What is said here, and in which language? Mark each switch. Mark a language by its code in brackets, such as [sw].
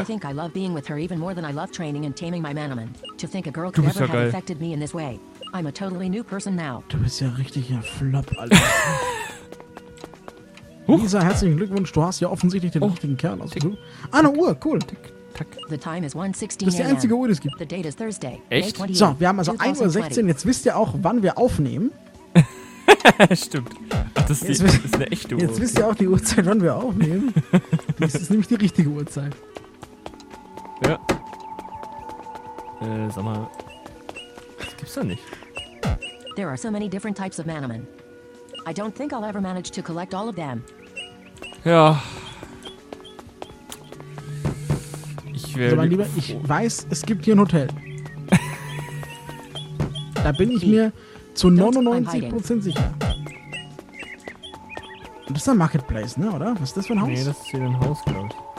[en] I think I love being with her even more than I love training and taming my Manaman. To think a girl could ever have affected me in this way. I'm a totally new person now. [de] Du bist ja richtig ein Flop, Alter. Lisa, herzlichen Glückwunsch. Du hast ja offensichtlich den richtigen Kerl ausgesucht. Ah, eine Uhr, cool. Tack. [en] The time is 1:16 a.m. [de] Das ist die einzige Uhr, die es gibt. [en] The date is Thursday. [de] Echt? So, wir haben also 1:16 Uhr. Jetzt wisst ihr auch, wann wir aufnehmen. Stimmt. Das ist eine echte Uhr. Jetzt wisst ihr auch die Uhrzeit, wann wir aufnehmen. Das ist nämlich die richtige Uhrzeit. Ja. Sag mal. Das gibt's doch nicht. [en] There are so many different types of Manaman. I don't think I'll ever manage to collect all of them. [de] Ja. Ich wäre. Also mein Lieber, ich weiß, es gibt hier ein Hotel. Da bin ich mir zu 99% sicher. Das ist ein Marketplace, ne, oder? Was ist das für ein Haus? Nee, das ist hier ein Haus, glaube ich.